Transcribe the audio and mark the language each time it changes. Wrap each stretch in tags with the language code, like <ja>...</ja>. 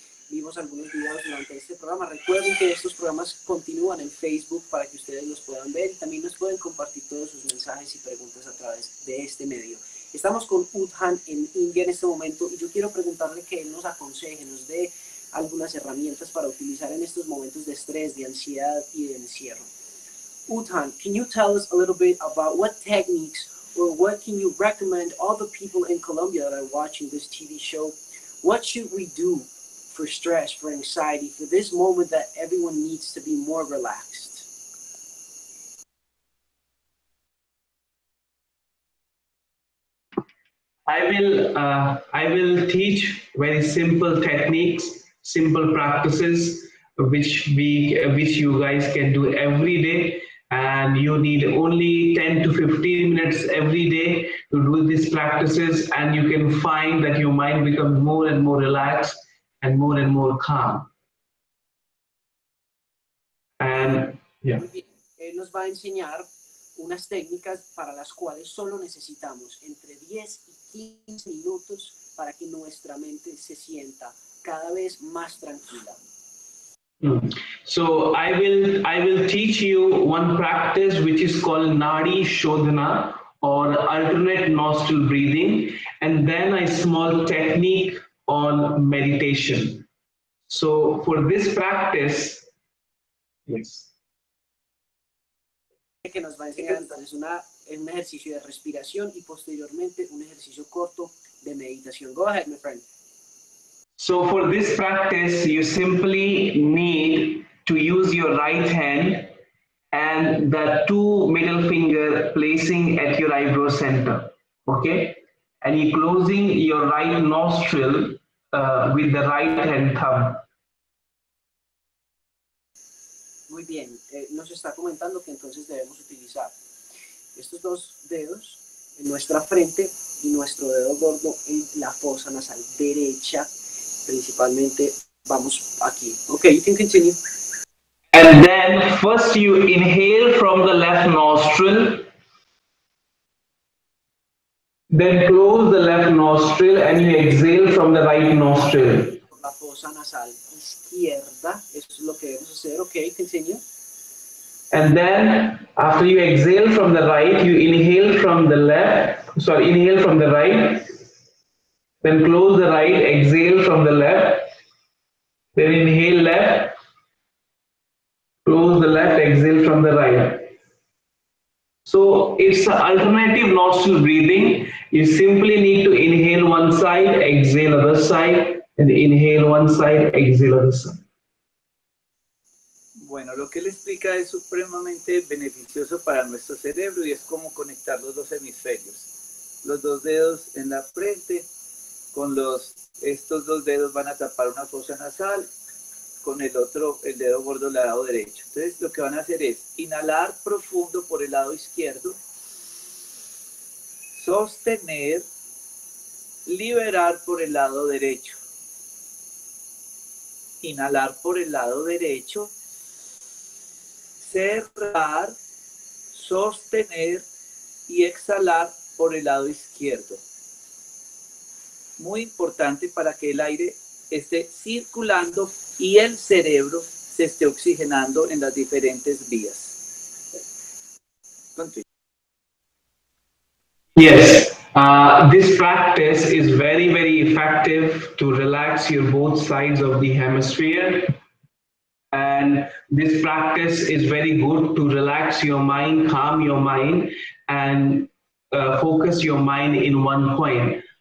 <es>Vimos algunos videos durante este programa. Recuerden que estos programas continúan en Facebook para que ustedes los puedan ver. También nos pueden compartir todos sus mensajes y preguntas a través de este medio. Estamos con Uttam en India en este momento y yo quiero preguntarle que él nos aconseje, nos dé algunas herramientas para utilizar en estos momentos de estrés, de ansiedad y de encierro.</es> <en>Uttam, can you tell us a little bit about what techniques or what can you recommend all the people in Colombia that are watching this TV show? What should we do for stress, for anxiety, for this moment that everyone needs to be more relaxed? I will teach very simple techniques, simple practices, which you guys can do every day. And you need only 10 to 15 minutes every day to do these practices, and you can find that your mind becomes more and more relaxed and more calm. And yeah.</en> <es>Él nos va a enseñar unas técnicas para las cuales solo necesitamos entre 10 y 15 minutos para que nuestra mente se sienta cada vez más tranquila.</es> <en>So I will teach you one practice which is called Nadi Shodhana or alternate nostril breathing, and then a small technique on meditation. So for this practice, yes.</en> <es>que nos va a enseñar entonces un ejercicio de respiración y posteriormente un ejercicio corto de meditación.</es> <en>Go ahead, my friend. So for this practice, you simply need to use your right hand and the two middle finger placing at your eyebrow center, okay? And you're closing your right nostril with the right hand thumb.</en> <es>Muy bien, nos está comentando que entonces debemos utilizar estos dos dedos en nuestra frente y nuestro dedo gordo en la fosa nasal derecha. Principalmente vamos aquí.</es> <en>Okay, you can continue. And then first you inhale from the left nostril. Then close the left nostril and you exhale from the right nostril.</en> <es>La fosa nasal izquierda, eso es lo que debemos hacer.</es> <en>Okay, continue. And then after you exhale from the right, you inhale from the left. Sorry, inhale from the right. Then close the right, exhale from the left. Then inhale left. Close the left, exhale from the right. So it's an alternative nostril breathing. You simply need to inhale one side, exhale other side, and inhale one side, exhale other side.</en> <es>Bueno, lo que él explica es supremamente beneficioso para nuestro cerebro y es como conectar los dos hemisferios. Los dos dedos en la frente, con estos dos dedos van a tapar una fosa nasal, con el otro, el dedo gordo, lado derecho. Entonces, lo que van a hacer es inhalar profundo por el lado izquierdo, sostener, liberar por el lado derecho. Inhalar por el lado derecho, cerrar, sostener y exhalar por el lado izquierdo. Muy importante para que el aire esté circulando y el cerebro se esté oxigenando en las diferentes vías.</es> <en>Continue. Yes, this practice is very, very effective to relax your both sides of the hemisphere. And this practice is very good to relax your mind, calm your mind, and focus your mind in one point.</en>